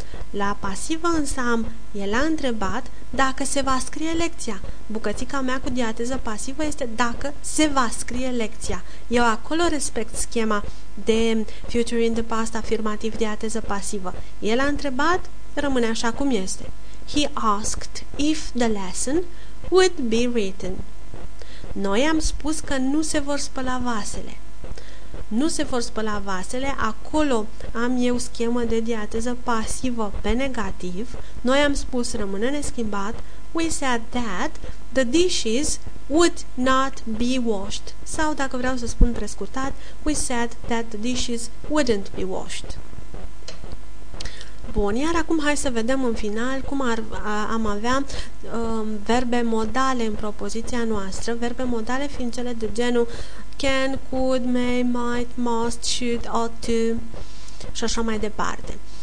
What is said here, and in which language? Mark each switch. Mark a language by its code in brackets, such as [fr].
[ro] La pasivă însă am, el a întrebat dacă se va scrie lecția. Bucățica mea cu diateză pasivă este dacă se va scrie lecția. Eu acolo respect schema de future in the past afirmativ diateză pasivă. El a întrebat, rămâne așa cum este. [en] he asked if the lesson would be written. [ro] Noi am spus că nu se vor spăla vasele. Nu se vor spăla vasele, acolo am eu schemă de diateză pasivă pe negativ. Noi am spus rămâne neschimbat. [en] We said that the dishes would not be washed. [ro] Sau, dacă vreau să spun prescurtat, [en] we said that the dishes wouldn't be washed. [ro] Bun, iar acum hai să vedem în final cum am avea verbe modale în propoziția noastră. Verbe modale fiind cele de genul can, could, may, might, must, should, ought to și așa mai departe.